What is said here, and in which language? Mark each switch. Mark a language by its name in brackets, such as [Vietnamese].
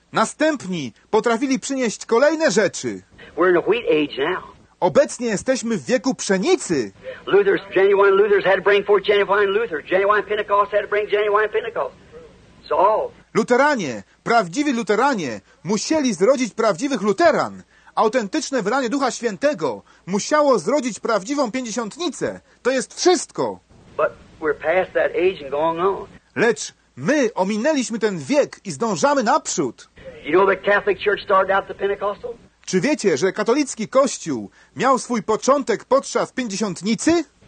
[Polish] Następni potrafili przynieść kolejne rzeczy. [English] We're in a wheat age now. [Polish] Obecnie jesteśmy w wieku pszenicy. [English] Luther's genuine Luther's had to bring forth genuine Luther. Genuine Pentecost had to bring genuine Pentecost. So all. [Polish] Luteranie, prawdziwi luteranie musieli zrodzić prawdziwych luteran. Autentyczne wylanie Ducha Świętego musiało zrodzić prawdziwą pięćdziesiątnicę. To jest wszystko. [English] But we're past that age and going on. [Polish] Lecz my ominęliśmy ten wiek i zdążamy naprzód. [English] You know, the Catholic Church started out the Pentecostal? [Polish] Czy wiecie, że katolicki kościół miał swój początek podczas pięćdziesiątnicy?